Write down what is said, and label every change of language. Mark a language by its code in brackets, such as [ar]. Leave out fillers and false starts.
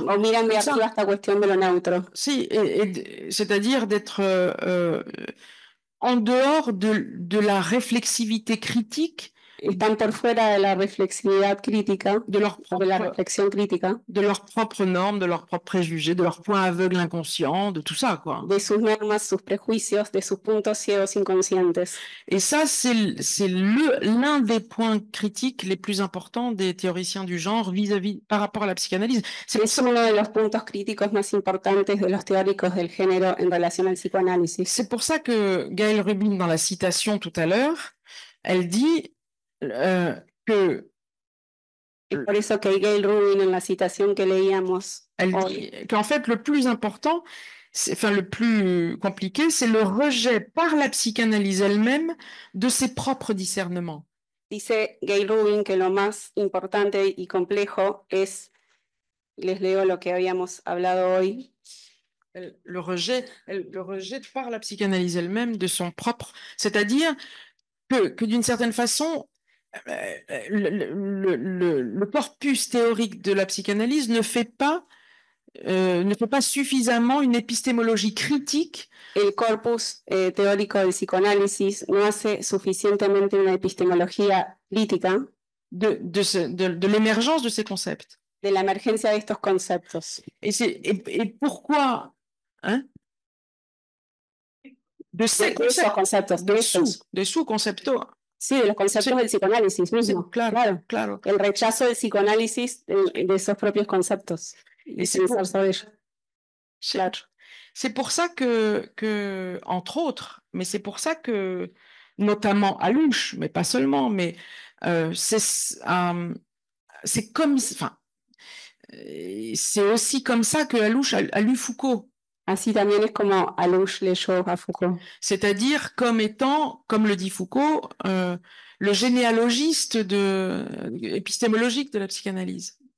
[es] O miran de arriba esta cuestión de lo neutro. [fr] Sí, c'est-à-dire d'être en dehors de la réflexivité critique. [es] Están por fuera de la reflexividad crítica, de la reflexión crítica, [fr] de leurs propres normes, de leurs propres préjugés, de leurs points aveugles inconscients, de tout ça, quoi. [es] De sus normas, sus prejuicios, de sus puntos ciegos inconscientes. [fr] Et ça, c'est l'un des points critiques les plus importants des théoriciens du genre vis-à-vis, par rapport à la psychanalyse. C'est [es] uno de los puntos críticos más importantes de los teóricos del género en relación al psicoanálisis. [fr] C'est pour ça que Gaëlle Rubin, dans la citation tout à l'heure, elle dit que [es] por eso que Gail Rubin en la citación que leíamos [fr] elle dit qu'en fait le plus important c'est, enfin le plus compliqué c'est le rejet par la psychanalyse elle-même de ses propres discernements. [es] Dice Gail Rubin que lo más importante y complejo es, les leo lo que habíamos hablado hoy, [fr] le rejet par la psychanalyse elle-même de son propre, c'est-à-dire que d'une certaine façon le corpus théorique de la psychanalyse ne fait pas suffisamment une épistémologie critique. [es] El corpus teórico del psicoanálisis no hace suficientemente una epistemología crítica [fr] de l'émergence de ces concepts. [es] De la emergencia de estos conceptos. [fr] Et pourquoi, hein? De ces [es] conceptos, de sous-conceptos. Sí, de los conceptos del psicoanálisis mismo. Claro. El rechazo del psicoanálisis de esos propios conceptos. Y pensar sobre ello. Claro. [fr] C'est pour ça que entre autres, mais c'est pour ça que, notamment à Lunch, mais pas seulement, mais c'est comme, enfin, c'est aussi comme ça que à Lunch a lu Foucault. [es] Así también es como Alouche leyó a Foucault. [fr] C'est-à-dire comme étant, comme le dit Foucault, le généalogiste épistémologique de la psychanalyse.